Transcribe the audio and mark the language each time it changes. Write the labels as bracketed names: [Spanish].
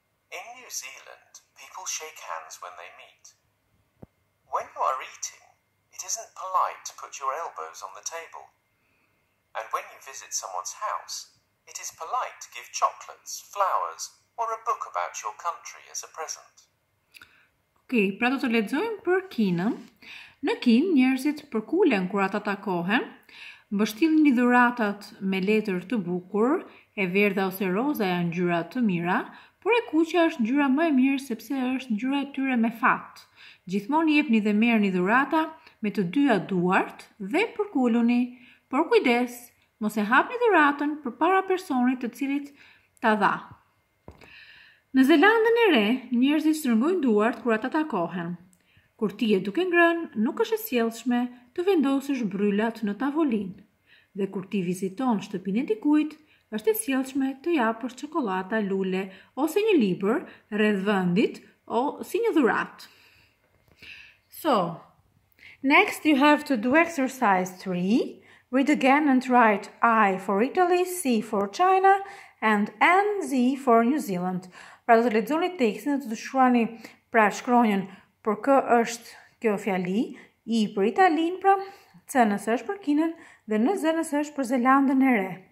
[English] In New Zealand, people shake hands when they meet. When you are eating, it isn't polite to put your elbows on the table. And when you visit someone's house, it is polite to give chocolates, flowers, or a book about your country as a present. [Albanian] Okay, pra do të lexojmë për Kinën. Në Kinë njerëzit përkulen kur ata takohen, mbështjellin dhuratat me letër të bukur, e verdha ose roza janë ngjyra të mira, por e kuqja është ngjyra më e mirë sepse është ngjyra e tyre me fat. Gjithmonë jepni dhe merrni dhurata me të dyja duart dhe përkuluni, por kujdes, mos e hapni dhuratën përpara personit të cilit ta dha. Në Zelandën e Re, njerëzit strëngojnë duart kur ata takohen. Kur ti je duke ngrënë, nuk është e sjellshme të vendosësh bryllat në tavolinë. Dhe kur ti viziton shtëpinë e dikujt, është e sjellshme të japësh çokoladë, lule ose një libër rreth vendit o si një dhuratë. [English] So, next you have to do exercise 3. Read again and write I for Italy, C for China and NZ for New Zealand. [Albanian] Pra do të lexoni tekstin, do të shkruani pra shkronjën për kë është kjo fjali, I për Italinë, pra C nëse është për Kinën dhe NZ nëse është për Zelandën e Re.